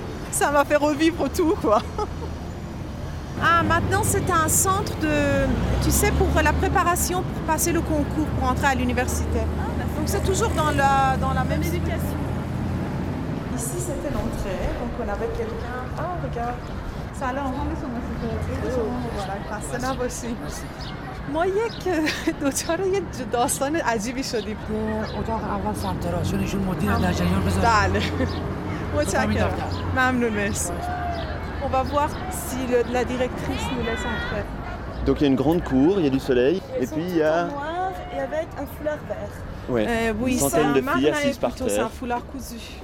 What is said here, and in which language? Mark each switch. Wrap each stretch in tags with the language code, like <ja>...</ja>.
<fr>Ça m'a fait revivre tout, quoi. Ah, maintenant, c'est un centre de... Tu sais, pour la préparation pour passer le concours, pour entrer à l'université. Donc, c'est toujours dans la même éducation. Ici, c'était l'entrée, donc on avait quelqu'un... Ah, oh, regarde. Ça a l'air en rendez sur ma sécurité. Voilà, c'est là aussi.</fr> <fa>ما یک دوچار یه داستان عجیبی شدیم به اتاق اول سمت راست چون ایشون مدیر در جریان بذاریم بله متشکرم ممنون مرسی</fa> <fr>On va voir si la directrice nous laisse entrer. Donc il y a une grande cour, il y a du soleil et puis il y a noir et avec un foulard vert. Ouais. Oui, une centaine de filles assises par terre. C'est un foulard cousu.</fr>